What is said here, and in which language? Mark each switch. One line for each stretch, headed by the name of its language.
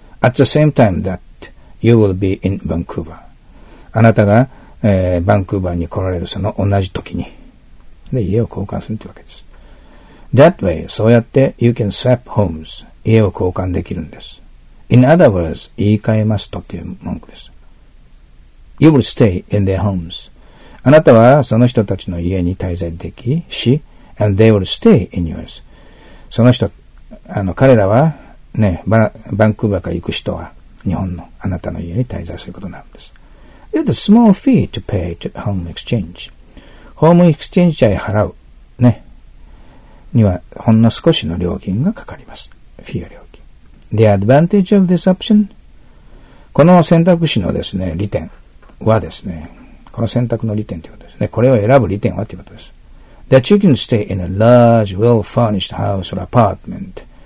English: At the same time that you will be in Vancouver.
Japanese: あなたが、バンクーバーに来られるその同じ時に。で、家を交換するというわけです。
English: That way,
Japanese: そうやって
English: you can swap homes.
Japanese: 家を交換できるんです。
English: In other words,
Japanese: 言い換えますとっていう文句です。
English: You will stay in their homes.
Japanese: あなたはその人たちの家に滞在でき、し、
English: and they will stay in yours.
Japanese: その人、彼らは、ね、バンクーバーから行く人は日本のあなたの家に滞在することになるんです。
English: It's a small fee to pay to home exchange.
Japanese: ホームエクスチェンジ代払う、ね、にはほんの少しの料金がかかります。フィー料金。
English: The advantage of this option?
Japanese: この選択肢のですね、利点はですね、この選択の利点ということですね。これを選ぶ利点はということです。
English: That you can stay in a large, well-furnished house or apartment.